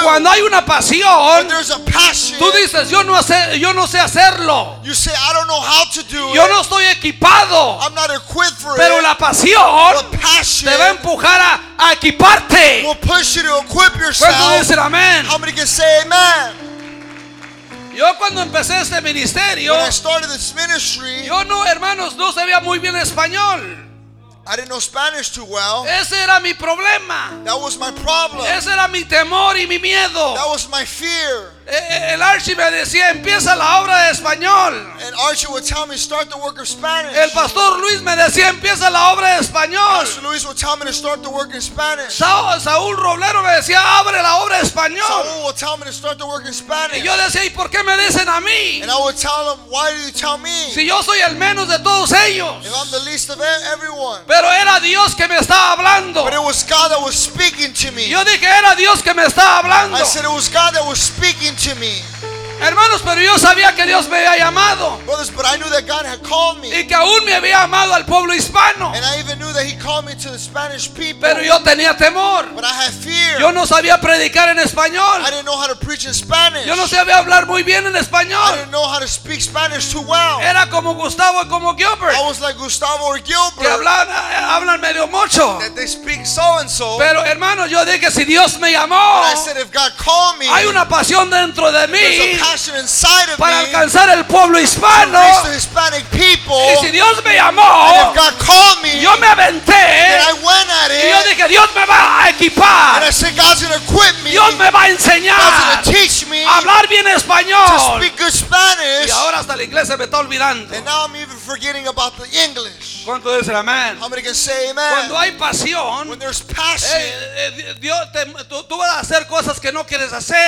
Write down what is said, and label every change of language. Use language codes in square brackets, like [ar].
[es] Cuando hay una pasión, [en] when there's a passion, [es] tú dices, yo no sé hacerlo. [en] You say, I don't know how to do [es] yo [en] it. [es] No estoy equipado. [en] I'm not equipped for [es] pero [en] it. [es] La pasión, [en] but passion, [es] te va a empujar a equiparte. [en] We'll push you to equip yourself. [es] ¿Cuántos dicen amén? [en] How many can say amen? [es] Yo cuando empecé este ministerio, [en] when I started this ministry, [es] yo no, hermanos, no sabía muy bien español. [en] I didn't know Spanish too well. [es] Ese era mi problema. [en] That was my problem. [es] Ese era mi temor y mi miedo. [en] That was my fear. [es] El Archie me decía, empieza la obra de español. [en] And Archie would tell me, start the work of Spanish. [es] El Pastor Luis me decía, empieza la obra de español. [en] Pastor Luis would tell me to start the work in Spanish. [es] Saúl Roblero me decía, abre la obra de español. [en] Saúl would tell me to start the work in Spanish. [es] Y yo decía, ¿y por qué me dicen a mí? [en] And I would tell him, why do you tell me? [es] Si yo soy el menos de todos ellos. [en] If I'm the least of everyone. [es] Pero era Dios que me estaba hablando. [en] But it was God that was was speaking to me. [es] Yo dije, era Dios que me estaba hablando. [en] I said it was God that was speaking to me. [es] Hermanos, pero yo sabía que Dios me había llamado. [en] Brothers, but I knew that God had called me. [es] Y que aún me había llamado al pueblo hispano. [en] And I even knew that he called me to the Spanish people. [es] Pero yo tenía temor. [en] But I had fear. [es] Yo no sabía predicar en español. [en] I didn't know how to preach in Spanish. [es] Yo no sabía hablar muy bien en español. [en] I didn't know how to speak Spanish too well. [es] Era como Gustavo, como Gilbert. [en] I was like Gustavo or Gilbert. [es] Que hablan medio mucho. [en] That they speak so and so. [es] Pero hermanos, yo dije, si Dios me llamó, [en] I said if God called me, [es] hay una pasión dentro de mí. [en] Inside of [es] para alcanzar el pueblo hispano, [en] to reach the Hispanic people. [es] Y si Dios me llamó, [en] and if God called me, [es] yo me aventé, [en] I went at it. [es] Y yo dije, Dios me va a equipar, [en] and I said, God's going to equip me. [es] Dios me va a enseñar, [en] God's going to teach me [es] a hablar bien español, [en] to speak good Spanish. [es] Y ahora hasta la iglesia me está olvidando. [en] And now I'm even forgetting about the English. [es] ¿Cuánto es el amén? [en] How many can say amen? [es] Cuando hay pasión, [en] when there's passion, [es] Dios, tú vas a hacer cosas que no quieres hacer.